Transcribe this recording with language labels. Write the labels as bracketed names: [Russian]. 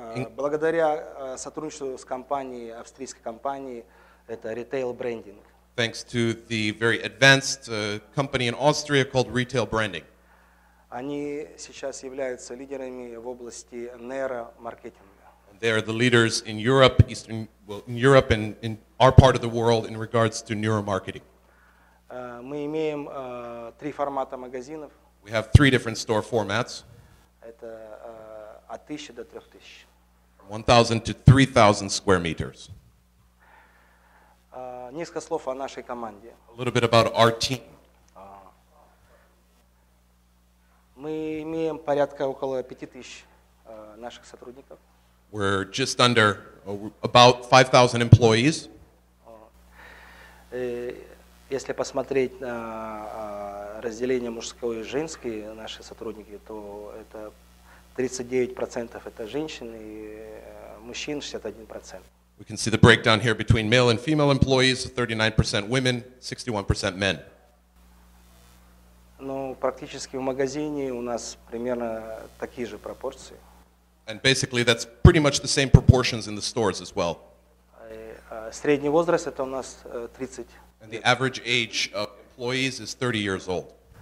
[Russian] Благодаря сотрудничеству с компанией, австрийской компанией, это Retail Branding. [English] Thanks to the very advanced company in Austria called Retail Branding. [Russian] Они сейчас являются лидерами в области нейромаркетинга. [English] They are the leaders in Europe, Eastern, well, in Europe and in our part of the world in regards to neuromarketing. [Russian] Мы имеем три формата магазинов. [English] We have three different store formats. [Russian] Это от 1000 до 3000. [English] 1000 to 3000 square meters. [Russian] Несколько слов о нашей команде. [English] A little bit about our team. [Russian] Мы имеем порядка около 5000 наших сотрудников. [English] We're just under about 5000 employees. [Russian] Если посмотреть на разделение мужское и женское наши сотрудники, то это 39% это женщины и мужчин 61%. [English] We can see the breakdown here between male and female employees, 39% women, 61% men. [Russian] Ну, практически в магазине у нас примерно такие же пропорции. [English] And basically that's pretty much the same proportions in the stores as well. [Russian] Средний возраст это у нас 30. [English] And the average age of employees is 30 years old.